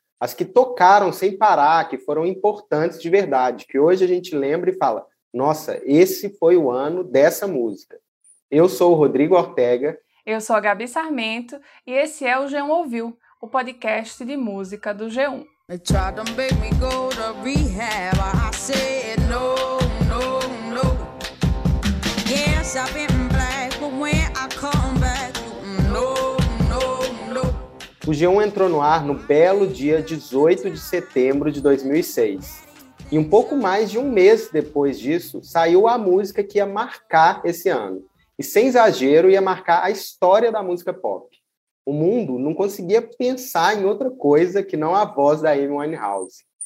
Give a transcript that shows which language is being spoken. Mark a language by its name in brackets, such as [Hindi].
[Portuguese] As que tocaram sem parar, que foram importantes de verdade. Que hoje a gente lembra e fala, nossa, esse foi o ano dessa música. Eu sou o Rodrigo Ortega. Eu sou a Gabi Sarmento. E esse é o G1 Ouviu, o podcast de música do G1. [English] They tried to make me go to rehab, I said no, no, no. Yes, I've been black, but when I come back, no, no, no. [Portuguese] O G1 entrou no ar no belo dia 18 de setembro de 2006. E um pouco mais de um mês depois disso, saiu a música que ia marcar esse ano. E sem exagero, ia marcar a história da música pop. O mundo não conseguia pensar em outra coisa que não a voz da Amy Winehouse.